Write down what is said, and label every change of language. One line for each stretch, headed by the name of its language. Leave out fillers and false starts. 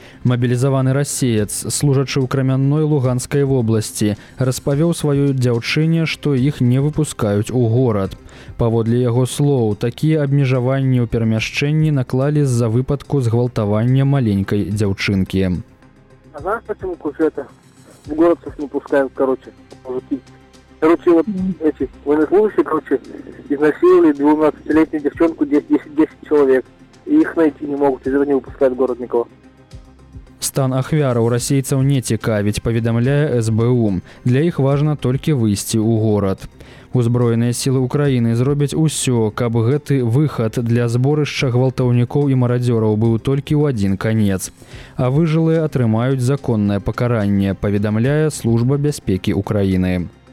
Belarusian: Мабілізаваны расеец, служачы ў Крамянной Луганскай вобласці, распавёў сваёй дзяўчыне, што іх не выпускаюць у горад. Паводле яго слоў, такія абмежаванні ў перамяшчэнні наклалі з-за выпадку згвалтавання маленькай дзяўчынкі.
Russian: А знаешь, почему куфета? В город их не пускают, короче. Мужики. Короче, вот эти военнослужащие, короче, изнасиловали 12-летнюю девчонку 10 человек. И их найти не могут, из-за этого не выпускают город никого.
Belarusian: Стан ахвяра у расейцаў не цікавіць, паведамляе СБУ. Для іх важна толькі выйсці ў горад. Узброеныя сілы Украіны зробяць усё, каб гэты выхад для зборышча гвалтаўнікоў і марадзёраў быў толькі ў адзін канец. А выжылыя атрымаюць законнае пакаранне, паведамляе Служба бяспекі Украіны.